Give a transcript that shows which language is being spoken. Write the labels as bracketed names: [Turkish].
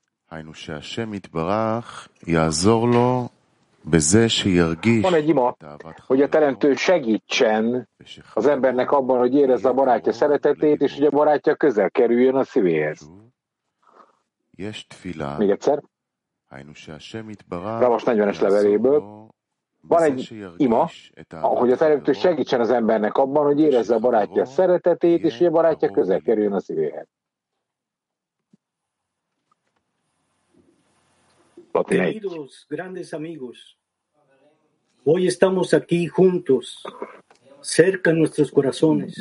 [Hebrew] היינו שהשם יתברך יעזור לו בזה שירגיש. [Hungarian] Van egy ima, hogy a teremtő segítsen az embernek abban, hogy érezze a barátja szeretetét, és hogy a barátja közel kerüljön a szívéhez. [Hebrew] יש תפילה. [Hungarian] Még egyszer. [Hebrew] היינו שהשם יתברך. [Hungarian] Rabash 40-es leveléből. Van egy ima, hogy a teremtő segítsen az embernek abban, hogy érezze a barátja szeretetét, és hogy a barátja közel kerüljön a szívéhez. [Spanish] Queridos, grandes amigos, hoy estamos aquí juntos, cerca de nuestros corazones.